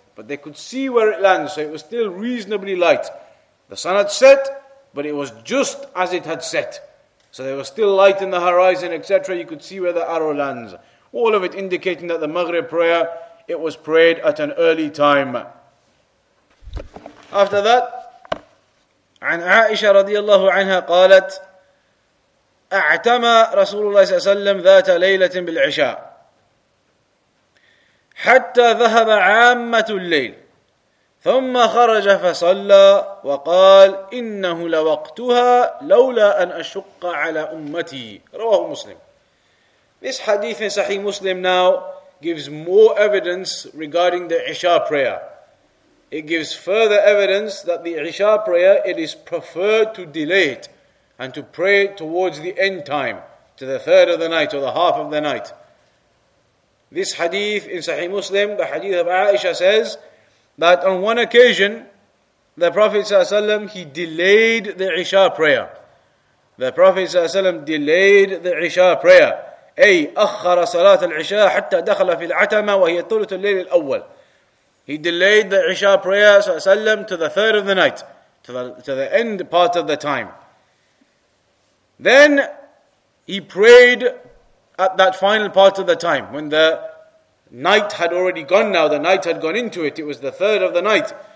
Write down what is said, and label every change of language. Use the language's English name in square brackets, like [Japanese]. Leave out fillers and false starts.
[English] but they could see where it landed, so it was still reasonably light. The sun had set, but it was just as it had set. So there was still light in the horizon, etc. You could see where the arrow lands. All of it indicating that the Maghrib prayer, it was prayed at an early time. After that, [Arabic] عن عائشة رضي الله عنها قالت أعتمى رسول الله صلى الله عليه وسلم ذات ليلة بالعشاء حتى ذهب عامة الليل ثم خرج فصلى وقال إنه لوقتها لولا أن أشق على أمتي رواه مسلم. [English] This hadith in Sahih Muslim now gives more evidence regarding the Isha prayer. It gives further evidence that the Isha prayer, it is preferred to delay it and to pray it towards the end time, to the third of the night or the half of the night. This hadith in Sahih Muslim, the hadith of Aisha, says that on one occasion, the Prophet ﷺ, he delayed the Isha prayer. The Prophet ﷺ delayed the Isha prayer. [Arabic] أي أخر صلاة العشاء حتى دخل في العتمة وهي ثلث الليل الأول. [English] He delayed the Isha prayer, [Arabic] صلى الله عليه وسلم, [English] to the third of the night, to the end part of the time. Then he prayed at that final part of the time, when the night had already gone now, the night had gone into it, it was the third of the night.